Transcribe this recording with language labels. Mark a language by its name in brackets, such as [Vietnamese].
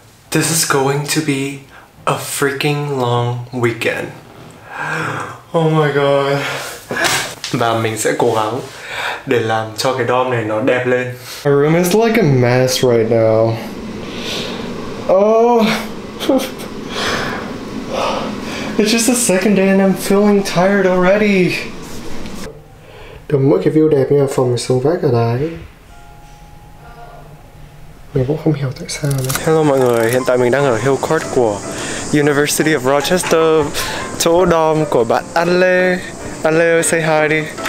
[English] This is going to be a freaking long weekend. Oh my god. [Vietnamese] Và mình sẽ cố gắng để làm cho cái dorm này nó đẹp lên. [English] My room is like a mess right now. Oh. It's just the second day and I'm feeling tired already. [Vietnamese] Đừng mỗi cái view đẹp như là phòng mình xuống vách ở đấy. Mình cũng không hiểu tại sao nữa. Hello mọi người, hiện tại mình đang ở Hill Court của University of Rochester, chỗ dorm của bạn An Lê. An Lê ơi, [English] say hi [Vietnamese] đi.